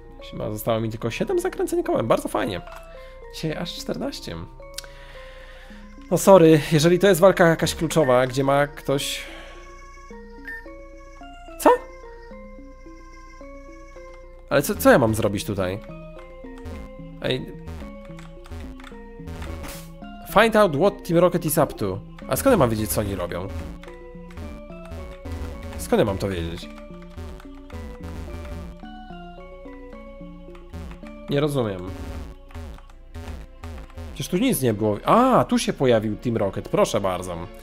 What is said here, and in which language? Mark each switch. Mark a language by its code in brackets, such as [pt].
[pl] Chyba zostało mi tylko 7 zakręceń kołem. Bardzo fajnie. Dzisiaj aż 14. No sorry, jeżeli to jest walka jakaś kluczowa, gdzie ma ktoś... Co? Ale co ja mam zrobić tutaj? Ej... [en] Find out what Team Rocket is up to. [pl] A skąd ja mam wiedzieć, co oni robią? Skąd ja mam to wiedzieć? Nie rozumiem. Przecież tu nic nie było. A, tu się pojawił Team Rocket. Proszę bardzo.